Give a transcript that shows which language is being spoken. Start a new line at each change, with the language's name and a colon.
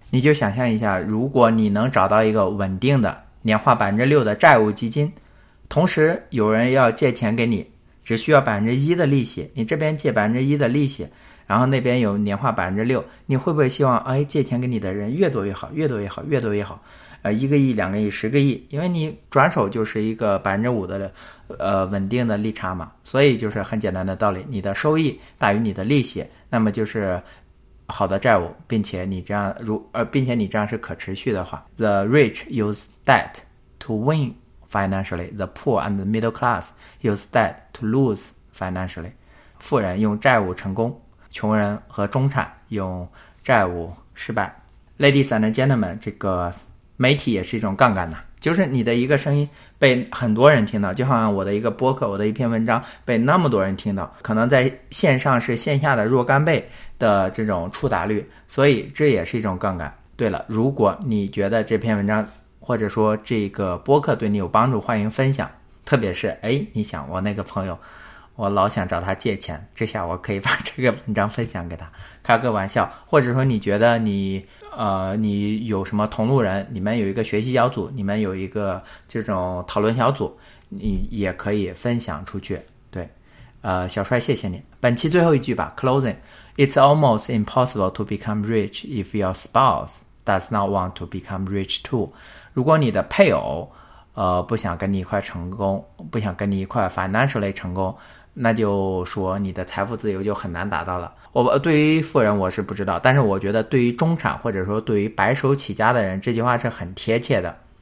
Chinese: 你就想象一下，如果你能找到一个稳定的年化 6% 的债务基金，同时有人要借钱给你，只需要 1% 的利息，你这边借 1% 的利息，然后那边有年化 6%， 你会不会希望哎，借钱给你的人越多越好，越多越好，越多越好，一个亿、两个亿、十个亿，因为你转手就是一个 5% 的稳定的利差嘛。所以就是很简单的道理，你的收益大于你的利息，那么就是好的债务，并且你这样并且你这样是可持续的话。
English: The rich use debt to win financially, the poor and the middle class use debt to lose financially.
Chinese: 富人用债务成功，穷人和中产用债务失败。
English: Ladies and gentlemen,
Chinese: 这个媒体也是一种杠杆的，就是你的一个声音被很多人听到，就好像我的一个播客，我的一篇文章被那么多人听到，可能在线上是线下的若干倍的这种触达率，所以这也是一种杠杆。对了，如果你觉得这篇文章或者说这个播客对你有帮助，欢迎分享。特别是哎，你想我那个朋友，我老想找他借钱，这下我可以把这个文章分享给他，开个玩笑。或者说你觉得你有什么同路人，你们有一个学习小组，你们有一个这种讨论小组，你也可以分享出去。对，小帅谢谢你。本期最后一句吧 ，
English: closing。 It's almost impossible to become rich if your spouse does not want to become rich too。
Chinese: 如果你的配偶不想跟你一块成功，不想跟你一块
English: financially
Chinese: 成功，那就说你的财富自由就很难达到了。对于富人我是不知道，但是我觉得对于中产或者说对于白手起家的人，这句话是很贴切的。